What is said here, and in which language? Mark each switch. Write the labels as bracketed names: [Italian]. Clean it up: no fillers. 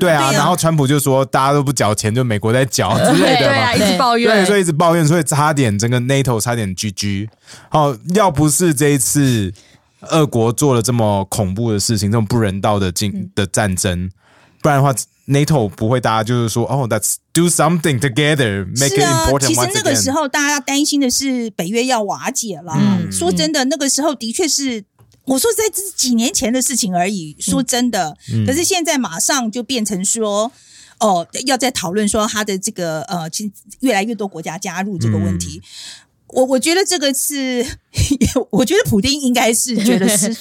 [Chinese] 对啊，然后川普就说大家都不缴钱，就美国在缴之类的嘛，对啊，一直抱怨，对，所以一直抱怨，所以差点整个 NATO 差点 GG。好，要不是这一次俄国做了这么恐怖的事情，这么不人道的战争，不然的话。 [English] NATO [Chinese] 不会，大家就是说， [English] 哦、oh, ，Let's do something together, make it important once again。 [Chinese] 其实那个时候，大家担心的是北约要瓦解了、嗯。说真的，那个时候的确是，我说在这几年前的事情而已。说真的，嗯、可是现在马上就变成说，哦、要在讨论说他的这个其实越来越多国家加入这个问题。嗯、我觉得这个是，我觉得普丁应该是觉得失算了，